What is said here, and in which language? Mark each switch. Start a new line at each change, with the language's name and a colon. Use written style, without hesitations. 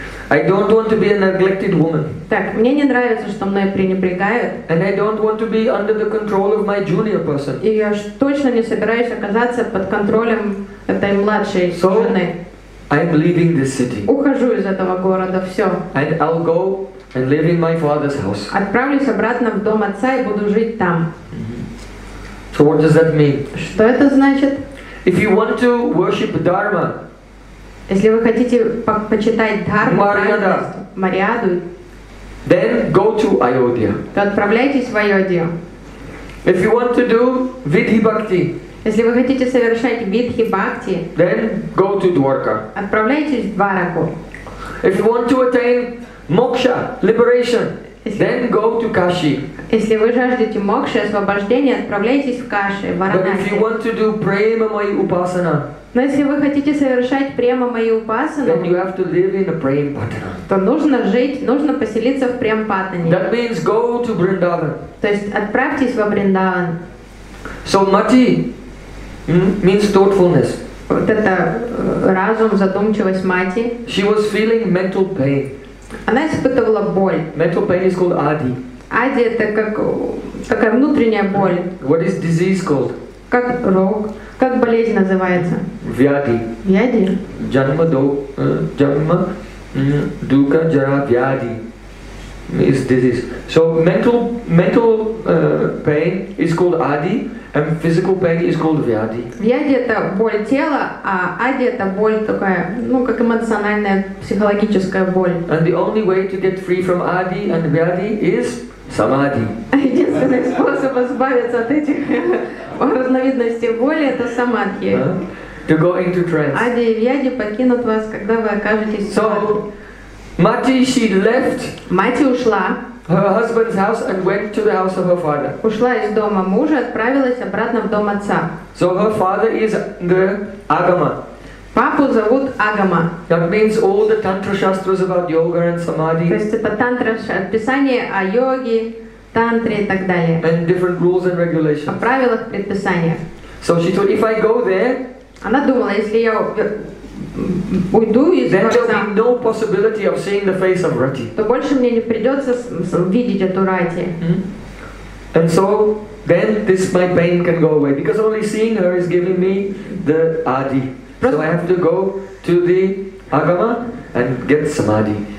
English: I don't want to be a neglected woman.
Russian: Так, мне не нравится, что мной пренебрегают.
English: And I don't want to be under the control of my junior person.
Russian: И я ж точно не собираюсь оказаться под контролем этой младшей
English: so,
Russian: жены.
English: I'm leaving this city.
Russian: Ухожу из этого города, все.
English: And I'll go and live in my father's house.
Russian: Отправлюсь обратно в дом отца и буду жить там.
English: Mm-hmm. So what does that mean?
Russian: Что это значит?
English: If you want to worship Dharma,
Russian: если вы хотите почитать Дхарму, Марьяда, Марьяду,
English: then go to Ayodhya.
Russian: То отправляйтесь в Айодию.
English: If you want to do Vidhi Bhakti,
Russian: если вы хотите совершать Vidhi Bhakti,
English: then go to Dwarka.
Russian: Отправляйтесь в Двараку.
English: If you want to attain Moksha, liberation, then go to Kashi.
Russian: Если вы жаждете мокши, освобождения, отправляйтесь в Каши, в Варанаси.
English: But if you want to do Prema Mayi Upasana,
Russian: но если вы хотите совершать Prema Mayi Upasana,
English: then you have to live in a Prem Pattanam.
Russian: То нужно жить, нужно поселиться в Prem Pattanam.
English: That means go to Vrindavan.
Russian: То есть отправьтесь во Вриндаван.
English: So Mati means thoughtfulness.
Russian: Вот это разум, задумчивость Mati.
English: She was feeling mental pain.
Russian: Она испытывала боль.
English: Mental pain is called Adi.
Russian: Adi это как такая внутренняя боль.
English: What is disease called?
Russian: Как рог. Как болезнь называется? Вьяди. Вьяди?
Sanskrit: Джанма, дука, джара, вьяди.
English: Is disease. So mental pain is called Adi and physical pain is called Vyadi.
Russian: Вьяди это боль тела, а Adi это боль такая, ну как эмоциональная, психологическая боль.
English: And the only way to get free from Adi and Vyadi is Samadhi.
Russian: Единственный способ избавиться от этих разновидностей боли это Самадхи.
English: To go into trance.
Russian: Adi и Vyadi покинут вас, когда вы окажетесь в
English: Samadhi. Mati, she left
Russian: Mati ушла,
English: her husband's house and went to the house of her father.
Russian: Ушла из дома мужа, отправилась обратно в дом отца.
English: So her father is the Agama.
Russian: Папу зовут Агама.
English: That means all the Tantra Shastras about yoga and Samadhi.
Russian: То есть это Тантра, описание о йоге, тантре и так далее.
English: And different rules and regulations.
Russian: О правилах предписания.
English: So she thought, if I go there,
Russian: она думала, если я уйду из
English: then there will be no possibility of seeing the face of Rati.
Russian: То больше мне не придется видеть эту Рати.
English: And so then this my pain can go away because only seeing her is giving me the Adi. So I have to go to the Agama and get Samadhi.